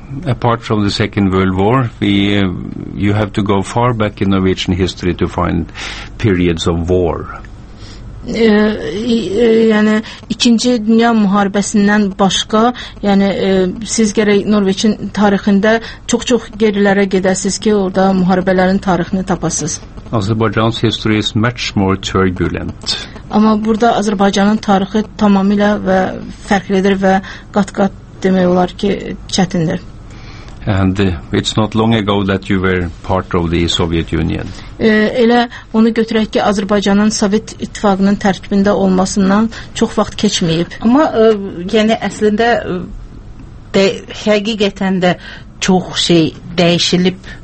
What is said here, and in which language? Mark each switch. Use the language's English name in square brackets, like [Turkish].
[English] Apart from the Second World War, you have to go far back in Norwegian history to find periods of war. [Azerbaijani] Yəni ikinci dünya müharibəsindən başqa, yəni siz gərək Norveçin tarixində çox-çox gerilərə gedəsiniz ki, orada müharibələrin tarixini tapasınız. [English] Azerbaijan's history is much more turbulent. [Azerbaijani] Amma burada Azərbaycanın tarixi tamamilə və fərqlidir və qat-qat demək olar ki, çətindir. [English] And it's not long ago that you were part of the Soviet Union. [Azerbaijani] Elə onu götürək ki, Azərbaycanın Sovet İttifaqının tərkibində olmasından çox vaxt keçməyib. Amma yəni əslində həqiqətən də çox şey dəyişilib.